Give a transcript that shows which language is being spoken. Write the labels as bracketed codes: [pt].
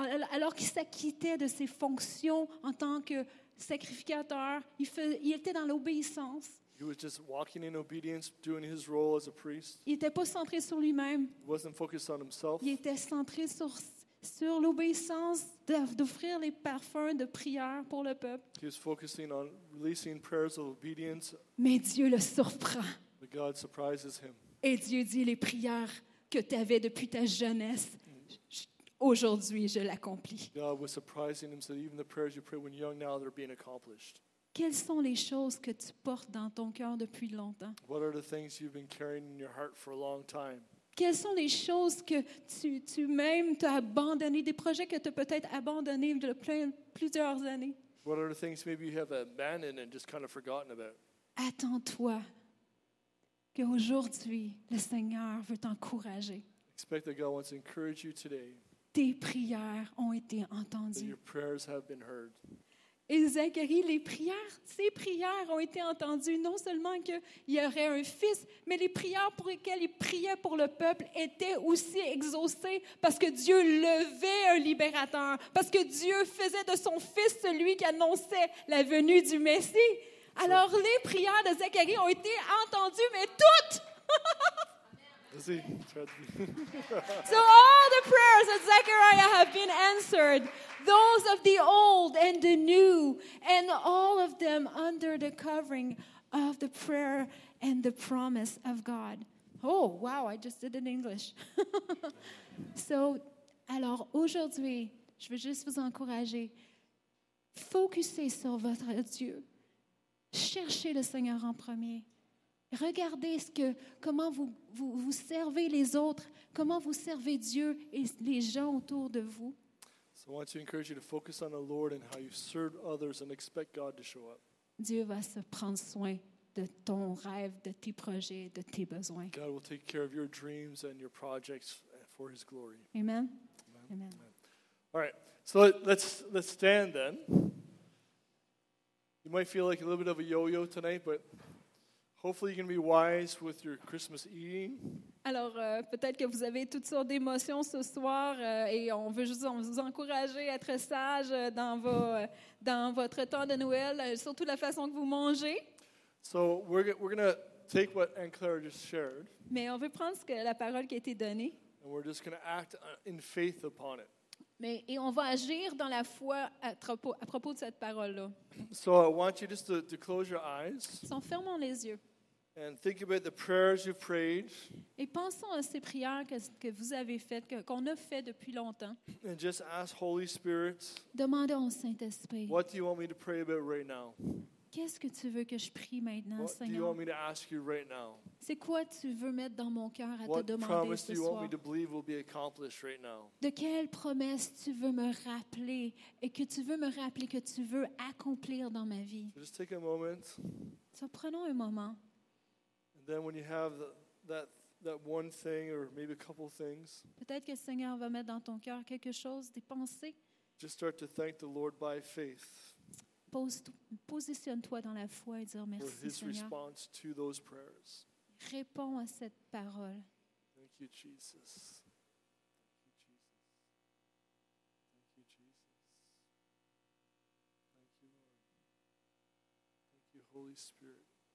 [fr] Alors qu'il s'acquittait de ses fonctions en tant que sacrificateur, il était dans l'obéissance. [en] He was just walking in obedience, doing his role as a priest. [fr] Il n'était pas centré sur lui-même. [en] He wasn't focused on himself. [fr] Il était centré sur l'obéissance d'offrir les parfums de prière pour le peuple. [en] He was focusing on releasing prayers of obedience. [fr] Mais Dieu le surprend. [en] But God surprises him. [fr] Et Dieu dit, les prières que tu avais depuis ta jeunesse, aujourd'hui, je l'accomplis. [en] God was surprising him, so even the prayers you pray when young now, they're being accomplished. [fr] Quelles sont les choses que tu portes dans ton cœur depuis longtemps? [en] What are the things you've been carrying in your heart for a long time? [fr] Quelles sont les choses que tu-même t'as abandonné, des projets que tu as peut-être abandonné de plusieurs années? [en] What are the things maybe you have abandoned and just kind of forgotten about? [fr] Attends-toi qu'aujourd'hui, le Seigneur veut t'encourager. [en] Expect that God wants to encourage you today. [fr] Tes prières ont été entendues. [en] That your prayers have been heard. [fr] Et Zacharie, ses prières ont été entendues. Non seulement qu'il y aurait un fils, mais les prières pour lesquelles il priait pour le peuple étaient aussi exaucées parce que Dieu levait un libérateur, parce que Dieu faisait de son fils celui qui annonçait la venue du Messie. Alors les prières de Zacharie ont été entendues, mais toutes! [en] So all the prayers of Zechariah have been answered, those of the old and the new, and all of them under the covering of the prayer and the promise of God. Oh, wow, I just did it in English. [fr] So, alors aujourd'hui, je veux juste vous encourager, focussez sur votre Dieu, cherchez le Seigneur en premier. Regardez comment vous servez les autres, comment vous servez Dieu et les gens autour de vous. [en] So I want to encourage you to focus on the Lord and how you serve others and expect God to show up. [fr] Dieu va se prendre soin de ton rêve, de tes projets, de tes besoins. [en] God will take care of your dreams and your projects for his glory. Amen. Amen. Amen. All right. So let's stand then. You might feel like a little bit of a yo-yo tonight, but hopefully you can be wise with your Christmas eating. [fr] Alors, peut-être que vous avez toutes sortes d'émotions ce soir et on veut juste vous encourager à être sage dans votre temps de Noël, surtout la façon que vous mangez. [en] So we're going to take what Anne Claire just shared. [fr] Mais on veut prendre la parole qui a été donnée. [en] And we're just going to act in faith upon it. [fr] Et on va agir dans la foi à propos de cette parole-là. [en] So I want you just to close your eyes. [fr] En fermant les yeux. [en] And think about the prayers you've prayed. [fr] Et pensons à ces prières que vous avez faites, qu'on a fait depuis longtemps. [en] And just ask Holy Spirit. [fr] Demandez au Saint-Esprit. [en] What do you want me to pray about right now? [fr] Qu'est-ce que tu veux que je prie maintenant, [en] what [fr] Seigneur? [en] What do you want me to ask you right now? [fr] C'est quoi tu veux mettre dans mon cœur à [en] what [fr] te demander ce soir? [en] What promise do you want me to believe will be accomplished right now? [fr] De quelle promesse tu veux me rappeler et que tu veux me rappeler que tu veux accomplir dans ma vie? [en] So just take a moment. [fr] So prenons un moment. [en] And then when you have that one thing or maybe a couple things. [fr] Peut-être que le Seigneur va mettre dans ton cœur quelque chose, des pensées. [en] Just start to thank the Lord by faith. [fr] Positionne-toi dans la foi et dire merci, [en] for his response to those prayers. [fr] Réponds à cette parole. [en] Thank you, Jesus. Thank you, Jesus. Thank you, Jesus. Thank you, Lord. Thank you, Holy Spirit.